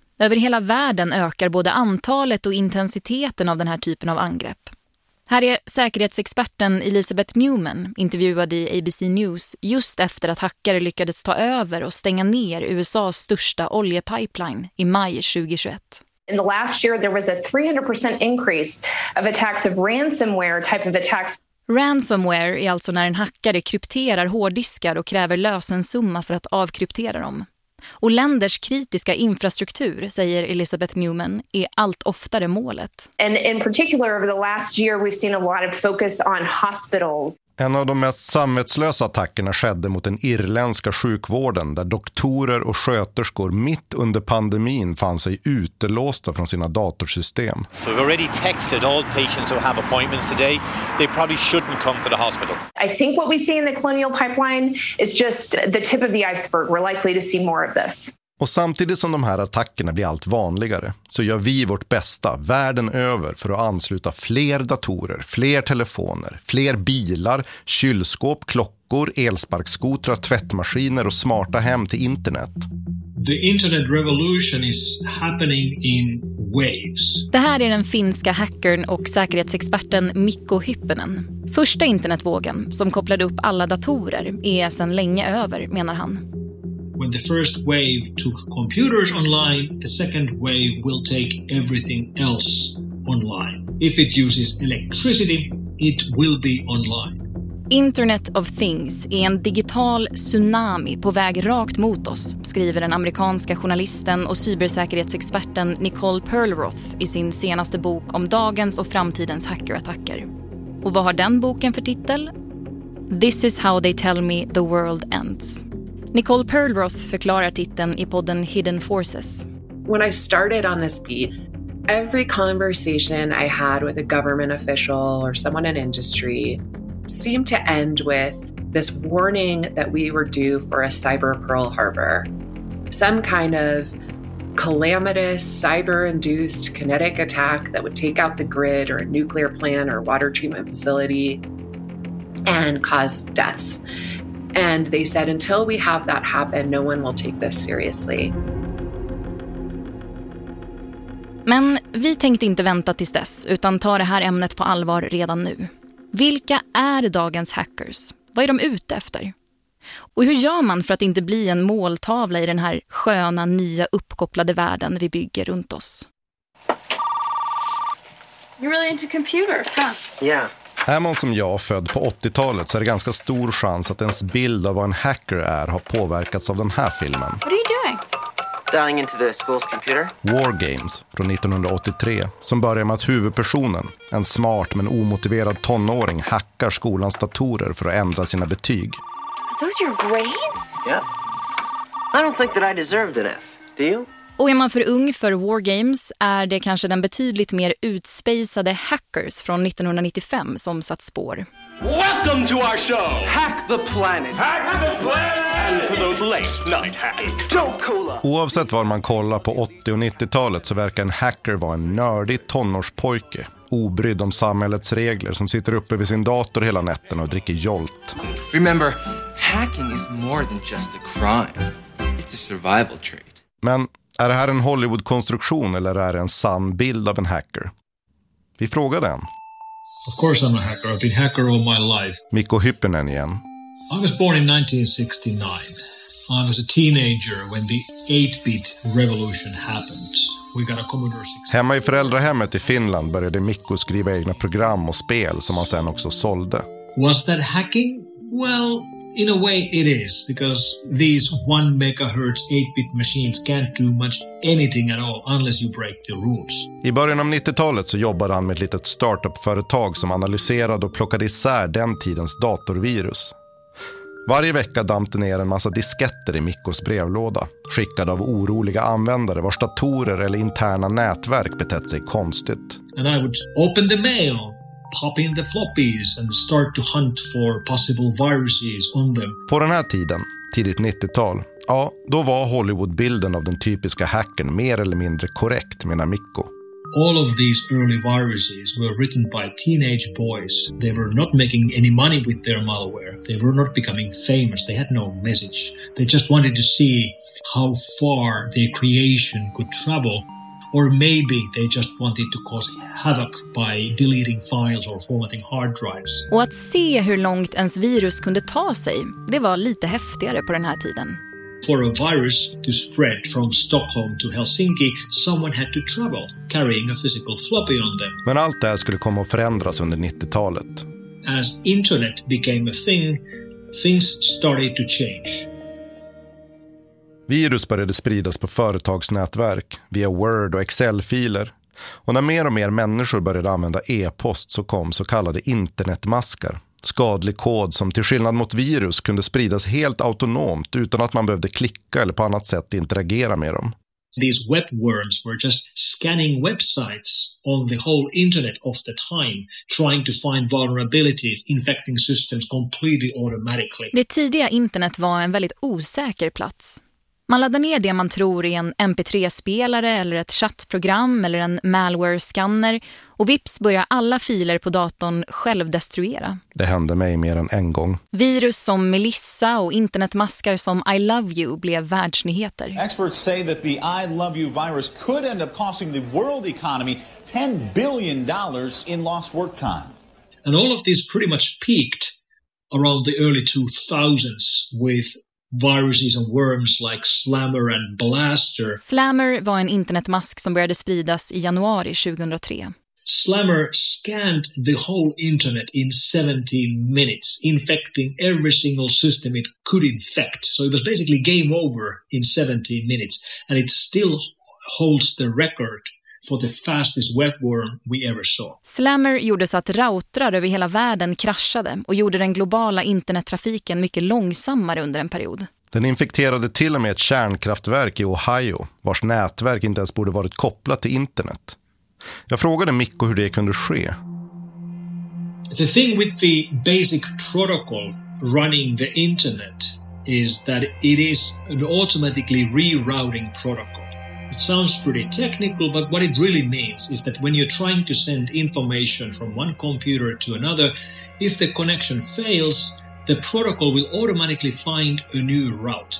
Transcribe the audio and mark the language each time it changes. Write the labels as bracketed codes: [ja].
[sv] Över hela världen ökar både antalet och intensiteten av den här typen av angrepp. Här är säkerhetsexperten Elisabeth Newman, intervjuad i ABC News, just efter att hackare lyckades ta över och stänga ner USA:s största oljepipeline i maj 2021. [en] In the last year there was a 300% increase of attacks of ransomware type of attacks. [sv] Ransomware är alltså när en hackare krypterar hårddiskar och kräver lösensumma för att avkryptera dem. Och länders kritiska infrastruktur, säger Elisabeth Newman, är allt oftare målet. [en] And in particular over the last year we've seen a lot of focus on hospitals. [sv] En av de mest samvetslösa attackerna skedde mot den irländska sjukvården där doktorer och sköterskor mitt under pandemin fann sig utelåsta från sina datorsystem. [en] We've already texted all patients who have appointments today. They probably shouldn't come to the hospital. I think what we see in the Colonial Pipeline is just the tip of the iceberg. We're likely to see more of this. [sv] Och samtidigt som de här attackerna blir allt vanligare så gör vi vårt bästa världen över för att ansluta fler datorer, fler telefoner, fler bilar, kylskåp, klockor, elsparkskotrar, tvättmaskiner och smarta hem till internet. [en] The internet revolution is happening in waves. [sv] Det här är den finska hackern och säkerhetsexperten Mikko Hyppönen. Första internetvågen som kopplade upp alla datorer är sedan länge över, menar han. [en] When the first wave took computers online, the second wave will take everything else online. If it uses electricity, it will be online. [sv] Internet of Things är en digital tsunami på väg rakt mot oss, skriver den amerikanska journalisten och cybersäkerhetsexperten Nicole Perlroth i sin senaste bok om dagens och framtidens hackerattacker. Och vad har den boken för titel? [en] This is how they tell me the world ends. [sv] Nicole Perlroth förklarar titeln i podden Hidden Forces. [en] When I started on this beat, every conversation I had with a government official or someone in industry seemed to end with this warning that we were due for a cyber Pearl Harbor. Some kind of calamitous cyber-induced kinetic attack that would take out the grid or a nuclear plant or water treatment facility and cause deaths. And they said, until we have that happen, no one will take this seriously. [sv] Men vi tänkte inte vänta tills dess, utan ta det här ämnet på allvar redan nu. Vilka är dagens hackers? Vad är de ute efter? Och hur gör man för att inte bli en måltavla i den här sköna, nya, uppkopplade världen vi bygger runt oss? [en] You're really into computers, huh? Yeah. [sv] Är man som jag född på 80-talet så är det ganska stor chans att ens bild av vad en hacker är har påverkats av den här filmen. [en] What are you doing? Dialing into the school's computer. [sv] War Games från 1983 som börjar med att huvudpersonen, en smart men omotiverad tonåring, hackar skolans datorer för att ändra sina betyg. [en] Are those your grades? Yeah. I don't think that I deserved an F. Do you? [sv] Och är man för ung för War Games är det kanske den betydligt mer utspejsade Hackers från 1995 som satt spår. [en] Welcome to our show. Hack the planet. Hack the planet. And for those late night hacks. Don't cool up. [sv] Oavsett var man kollar på 80- och 90-talet så verkar en hacker vara en nördig tonårspojke, obrydd om samhällets regler, som sitter uppe vid sin dator hela natten och dricker Jolt. [en] Remember, hacking is more than just a crime. It's a survival trait. [sv] Men är det här en Hollywood-konstruktion eller är det en sann bild av en hacker? Vi frågar den. [en] Of course I'm a hacker. I've been a hacker all my life. [sv] Mikko Hyppönen igen. [en] I was born in 1969. I was a teenager when the 8-bit revolution happened. We got a Commodore 64. [sv] Hemma i föräldrahemmet i Finland började Mikko skriva egna program och spel som han sen också sålde. [en] Was that hacking? Well, in a way it is, because these 1 megahertz 8-bit machines can't do much anything at all unless you break the rules. [sv] I början av 90-talet så jobbade han med ett litet startup-företag som analyserade och plockade isär den tidens datorvirus. Varje vecka dampte ner en massa disketter i Mikkos brevlåda, skickade av oroliga användare vars datorer eller interna nätverk betett sig konstigt. [en] And I would open the mail, pop in the floppies and start to hunt for possible viruses on them. [sv] På den här tiden, tidigt 90-tal, ja, då var Hollywood-bilden av den typiska hacken mer eller mindre korrekt, menar Mikko. [en] All of these early viruses were written by teenage boys. They were not making any money with their malware. They were not becoming famous. They had no message. They just wanted to see how far their creation could travel. Or maybe they just wanted to cause havoc by deleting files or formatting hard drives. [sv] Och att se hur långt ens virus kunde ta sig, det var lite häftigare på den här tiden. [en] For a virus to spread from Stockholm to Helsinki, someone had to travel carrying a physical floppy on them. [sv] Men allt det här skulle komma att förändras under 90-talet. [en] As internet became a thing, things started to change. [sv] Virus började spridas på företagsnätverk, via Word och Excel-filer. Och när mer och mer människor började använda e-post så kom så kallade internetmaskar. Skadlig kod som till skillnad mot virus kunde spridas helt autonomt utan att man behövde klicka eller på annat sätt interagera med dem. [en] These webworms were just scanning websites on the whole internet of the time, trying to find vulnerabilities, infecting systems completely automatically. [sv] Det tidiga internet var en väldigt osäker plats. Man laddade ner det man tror i en MP3-spelare eller ett chattprogram eller en malware-scanner och vips börjar alla filer på datorn självdestruera. Det hände mig mer än en gång. Virus som Melissa och internetmaskar som I Love You blev världsnyheter. [en] Experts say that the I Love You virus could end up costing the world economy $10 billion in lost work time. And all of this pretty much peaked around the early 2000s with viruses and worms like Slammer and Blaster. [sv] Slammer var en internetmask som började spridas i januari 2003. [en] Slammer scanned the whole internet in 17 minutes, infecting every single system it could infect. So it was basically game over in 17 minutes, and it still holds the record for the fastest webworm we ever saw. [sv] Slammer gjorde så att routrar över hela världen kraschade och gjorde den globala internettrafiken mycket långsammare under en period. Den infekterade till och med ett kärnkraftverk i Ohio, vars nätverk inte ens borde varit kopplat till internet. Jag frågade Mikko hur det kunde ske. [en] The thing with the basic protocol running the internet is that it is an automatically rerouting protocol. It sounds pretty technical, but what it really means is that when you're trying to send information from one computer to another, if the connection fails, the protocol will automatically find a new route.